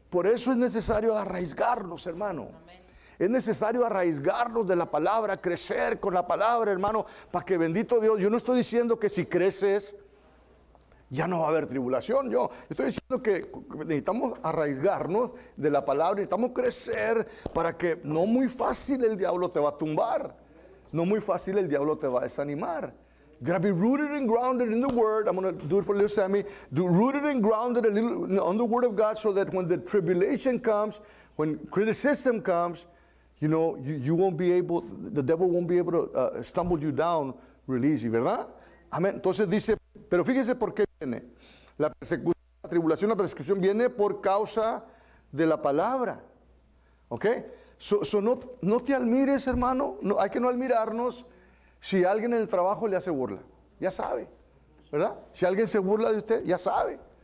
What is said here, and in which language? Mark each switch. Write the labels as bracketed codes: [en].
[es] Por eso es necesario arraigarnos, hermano. Amén. Es necesario arraigarnos de la palabra, crecer con la palabra, hermano, para que, bendito Dios, yo no estoy diciendo que si creces ya no va a haber tribulación. Yo estoy diciendo que necesitamos arraigarnos de la palabra, necesitamos crecer para que no muy fácil el diablo te va a tumbar. No muy fácil el diablo te va a desanimar. [en] Gotta be rooted and grounded in the word. I'm gonna do it for little Sammy. Do rooted and grounded a little on the word of God so that when the tribulation comes, when criticism comes, you know, you won't be able, the devil won't be able to stumble you down real easy, ¿verdad? [es] Amén. Entonces dice, pero fíjese por qué viene. La persecución, la tribulación, la persecución viene por causa de la palabra. ¿Ok? No te admires, hermano. No, hay que no admirarnos si alguien en el trabajo le hace burla. Ya sabe, ¿verdad? Si alguien se burla de usted, ya sabe.